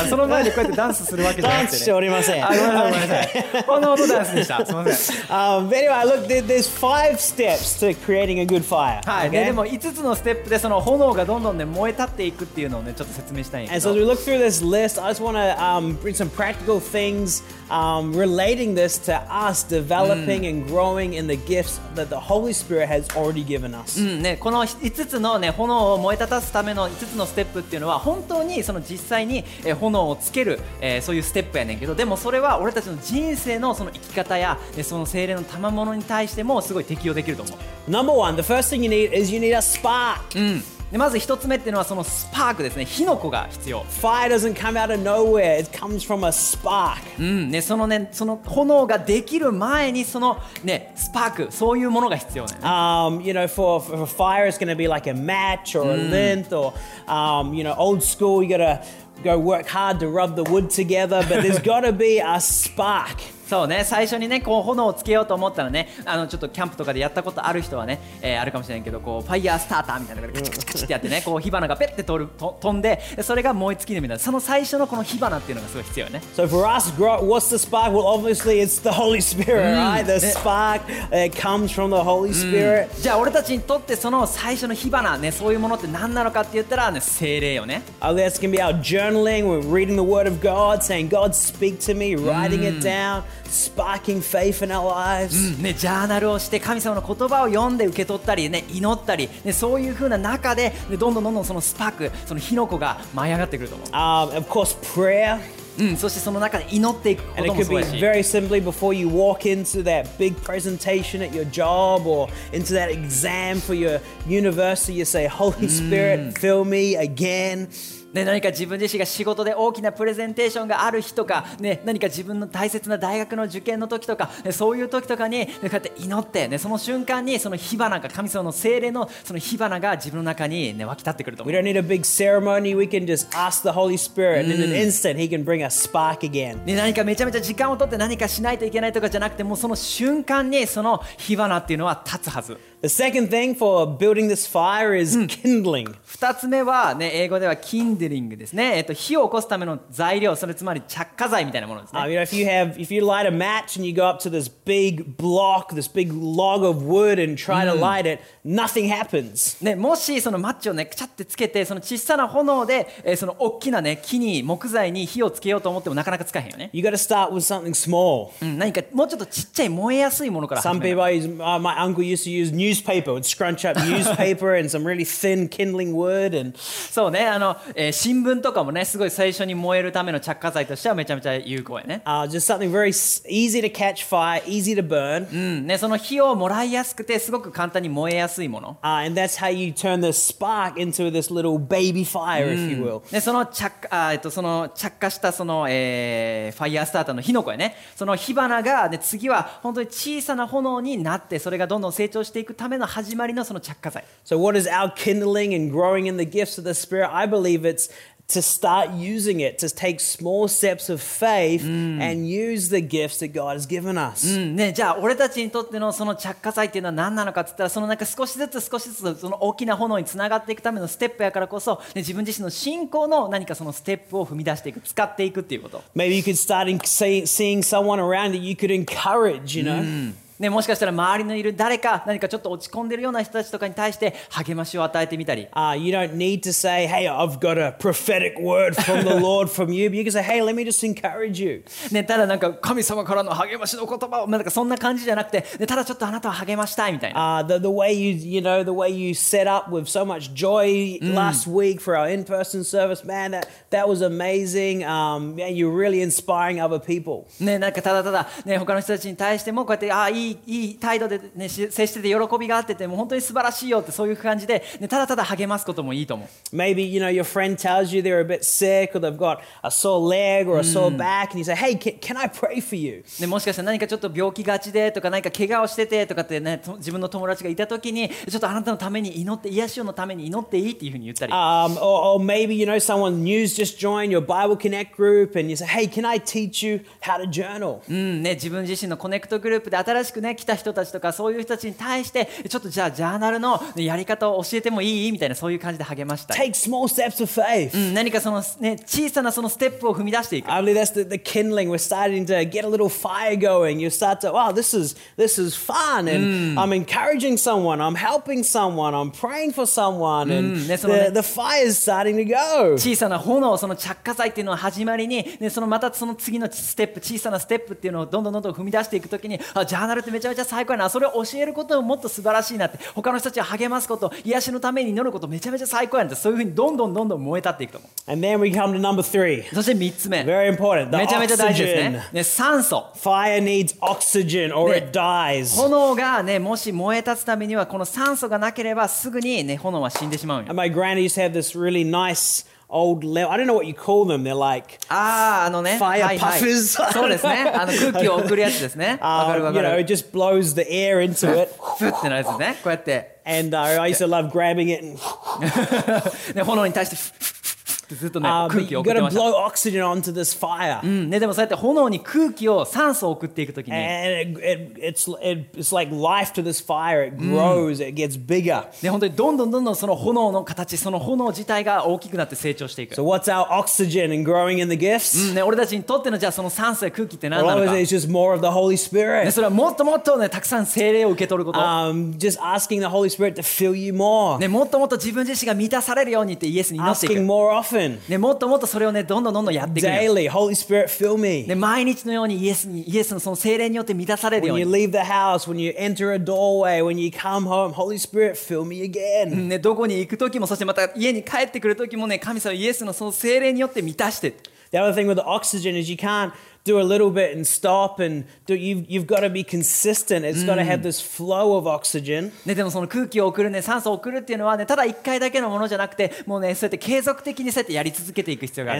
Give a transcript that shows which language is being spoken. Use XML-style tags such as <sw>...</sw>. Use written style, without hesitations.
<ja>その前でこうやってダンスするわけじゃなくて、ね。ダンスしておりません。あ、ごめんなさい。炎のダンスでした。すみません。</ja> <en>Anyway, I looked at there's five steps to creating a good fire.</en> <ja>はい、okay? ね。でも5つのステップでその炎がどんどんね燃え立っていくっていうのをねちょっと説明したいんです。</ja> <en>And so we look through this list. I just want to bring some practical things relating this to us developing、うん、and growing in the gifts that the Holy Spirit has already given us.</en> <ja>うんね、この5つのね炎を燃え立たすための5つのステップっていうのは本当にその実際に炎をつける、そういうステップやねんけど、でもそれは俺たちの人生のその生き方やその聖霊の賜物に対してもすごい適用できると思う。</ja> <en>Number one, the first thing you need is you need a spark.</en> <ja>うん、でまず一つ目っていうのはそのスパークですね、火の粉が必要。</ja> <en>Fire doesn't come out of nowhere, it comes from a spark.</en> <ja>うん、ね、そのね、その炎ができる前にそのね、スパーク、そういうものが必要ね。</ja> <en>You know, for fire it's gonna be like a match or a lint or, you know, old school, you gotta go work hard to rub the wood together, but there's gotta be a spark.</en> <ja>そうね、最初にね、こう炎をつけようと思ったらね、あのちょっとキャンプとかでやったことある人はね、あるかもしれないけど、こうファイヤースターターみたいなのがカチカチカチってやってね、こう火花がペッて飛んで、それが燃え尽きるみたいな、その最初のこの火花っていうのがすごい必要ね。</ja> <en>So for us, what's the spark? Well, obviously it's the Holy Spirit, right? The spark comes from the Holy Spirit.</en> <ja>じゃあ俺たちにとってその最初の火花ね、そういうものって何なのかって言ったらね、聖霊よね。</ja> <en>This can be our journaling, we're reading the Word of God, saying God speak to me, writing it down. Sparking faith in our lives.</en> <ja>ね、ジャーナルをして神様の言葉を読んで受け取ったりね、祈ったりね、そういう風な中で、ね、どんどんどんどんそのスパーク、その火の粉が舞い上がってくると思う。</ja> <en>Of course, prayer.</en> <ja>うん、そしてその中で祈っていくこともすごいし、</ja> <en>And it could be very simply before you walk into that big presentation at your job or into that exam for your university, you say, Holy Spirit, fill me again.</en> <ja>ね、何か自分自身が仕事で大きなプレゼンテーションがある日とか、ね、何か自分の大切な大学の受験の時とか、ね、そういう時とかに、ね、こうやって祈って、ね、その瞬間にその火花が、神様の聖霊のその火花が自分の中に、ね、湧き立ってくると思う。</ja> <en>We don't need a big ceremony. We can just ask the Holy Spirit and in an instant he can bring a spark again.</en> <ja>ね、何かめちゃめちゃ時間を取って何かしないといけないとかじゃなくて、もうその瞬間にその火花っていうのは立つはず。</ja> <en>The second thing for building this fire is kindling.</en> <ja>二つ目はね、英語では kindling ですね。火を起こすための材料、それつまり着火剤みたいなものですね。</ja> <en>You know, if you light a match and you go up to this big block, this big log of wood and try to light it, nothing happens.</en> <ja>ね、もしそのマッチをね、くちゃってつけて、その小さな炎で、その大きなね、木に木材に火をつけようと思ってもなかなかつかへんよね。</ja> <en>You gotta start with something small.</en> <ja>うん、何かもうちょっとちっちゃい燃えやすいものから始める。</ja> <en>Some people use, my uncle used to use newspaper, would scrunch up newspaper and some really thin kindling wood and</en> <ja>そうね、あの、新聞とかもね、すごい最初に燃えるための着火剤としてはめちゃめちゃ有効やね。</ja> <en>Just something very easy to catch fire, easy to burn.</en> <ja>うん、ね、その火をもらいやすくてすごく簡単に燃えやすいもの。</ja> <en>And that's how you turn the spark into this little baby fire, if you will.</en> <ja>ね、その その着火したその、ファイヤースターターの火の粉やね。その火花が、ね、次は本当に小さな炎になって、それがどんどん成長していく。</ja> <en>So what is our kindling and growing in the gifts of the Spirit? I believe it's to start using it, to take small steps of faith and use the gifts that God has given us.</en> <ja>ね、じゃあ俺たちにとってのその着火剤っていうのは何なのかって言ったら、そのなんか少しずつ少しずつその大きな炎につながっていくためのステップやからこそ、ね、自分自身の信仰の何かそのステップを踏み出していく、使っていくっていうこと。</ja> <en>Maybe you could start seeing someone around that you could encourage, you know?</en> <ja>ね、もしかしたら周りのいる誰か、何かちょっと落ち込んでるような人たちとかに対して励ましを与えてみたり。</ja> <en>You don't need to say, hey, I've got a prophetic word from the Lord from you, but you can say, hey, let me just encourage you.</en> <ja>ね、ただなんか神様からの励ましの言葉を、なんかそんな感じじゃなくて、ね、ただちょっとあなたを励ましたいみたいな。</ja> <en>The way the way you set up with so much joy last week for our in-person service, man, that was amazing. You're really inspiring other people.</en> <ja>ね、なんかただただ、ね、他の人たちに対してもこうやって、いい態度で、ね、接してて喜びがあってて、もう本当に素晴らしいよって、そういう感じで、ね、ただただ励ますこともいいと思う。</ja> <en>Maybe you know your friend tells you they're a bit sick or they've got a sore leg or a sore back and you say, hey, can I pray for you?、</en> <ja>ね、もしかしたら何かちょっと病気がちでとか、何か怪我をしててとかってね、自分の友達がいた時にちょっとあなたのために祈って、癒しをのために祈っていいっていうふうに言ったり、</ja> <en>or maybe you know someone new's just joined your Bible Connect group and you say, hey, can I teach you how to journal?、</en> <ja>ね、自分自身のコネクトグループで新しくしくね来た人たちとかそういう人たちに対してちょっとじゃあジャーナルのやり方を教えてもいいみたいなそういう感じで励ました。</ja> <en>Take small steps of faith.</en> <ja>何かそのね小さなそのステップを踏み出していく。</ja> <en>I believe that's the kindling. We're starting to get a little fire going. You start to, wow, this is fun. And I'm encouraging someone. I'm helping someone. I'm praying for someone. And the fire is starting to go.</en> <ja>小さな炎その着火剤っていうのは始まりに、ね、そのまたその次のステップ小さなステップっていうのをどんどんどんどん踏み出していくときにあジャーナルってめちゃめちゃ最高やなそれを教えることももっと素晴らしいなって他の人たちを励ますこと癒しのために祈ることめちゃめちゃ最高やなってそういうふうにどんどんどんどん燃え立っていくと思う。</ja> <en>And then we come to number three.</en> <ja>そして3つ目</ja> <en>Very important. The</en> <ja>めちゃめちゃ大事ですね、ね、酸素</ja> <en>Fire needs oxygen or it dies.</en> <ja>炎が、ね、もし燃え立つためにはこの酸素がなければすぐに、ね、炎は死んでしまうんや。</ja> <en>And my granny used to have this really niceOld level. I don't know what you call them. They're like fire puffers.</en> <ja>そうですね。あの空気を送るやつですね。</ja> <en>You know, it just blows the air into it.</en> <ja>ふってなるんですね。こうやって。</ja> <en>And I used to love grabbing it.</en> <ja>ね、炎に対してふってずっとね、空気を送ってました。</ja> <en>You gotta blow oxygen onto this fire.</en> <ja>うん。ね、でもそうやって炎に空気を酸素を送っていくときに。</ja> <en>And it's like life to this fire. It grows. It gets bigger.</en> <ja>ね、本当にどんどんどんどんその炎の形、その炎自体が大きくなって成長していく。</ja> <en>So what's our oxygen and growing in the gifts?</en> <ja>うん。ね、俺たちにとってのじゃあその酸素や空気って何なのか。</ja> <en>Well, it's just more of the Holy Spirit.</en> <ja>ね、それはもっともっとね、たくさん聖霊を受け取ること。</ja> <en>Just asking the Holy Spirit to fill you more.</en> <ja>ね、もっともっと自分自身が満たされるようにってイエスに祈っていく。</ja> <en>Asking more often.</en> <ja>ね、もっともっとそれをね、どんどんどんどんやっていく。</ja> <en>Daily, Holy Spirit, fill me.</en> <ja>ね、毎日のようにイエスのその聖霊によって満たされるように。</ja> <en>When you leave the house, when you enter a doorway, when you come home, Holy Spirit, fill me again.</en> <ja>ね、どこに行くときも、そしてまた家に帰ってくるときもね、神様イエスのその聖霊によって満たして。</ja> <en>The other thing with the oxygen is you can't. Do a little bit and stop, and do you've got to be consistent. It's got to have this flow of oxygen.</en> <ja>ね、でもその空気を送るね、酸素を送るっていうのはね、ただ一回だけのものじゃなくて、もうね、そうやって継続的にそうやってやり続けていく必要がある。</ja>